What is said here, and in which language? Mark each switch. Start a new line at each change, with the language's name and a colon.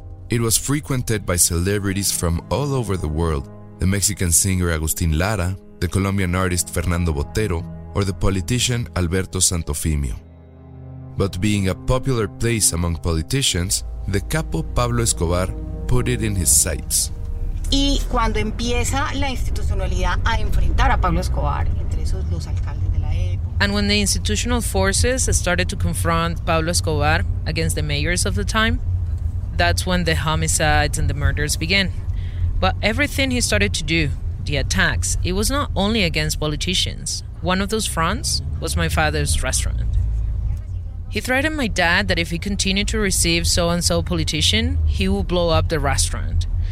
English: It was frequented by celebrities from all over the world. The Mexican singer Agustín Lara, the Colombian artist Fernando Botero, or the politician Alberto Santofimio. But being a popular place among politicians, the capo Pablo Escobar put it in his sights.
Spanish: Y cuando empieza la institucionalidad a enfrentar a Pablo Escobar, entre esos los alcaldes de la época.
English: And when the institutional forces started to confront Pablo Escobar against the mayors of the time, that's when the homicides and the murders began. But everything he started to do, the attacks, it was not only against politicians. One of those fronts was my father's restaurant. He threatened my dad that if he continued to receive so-and-so politician, he would blow up the restaurant.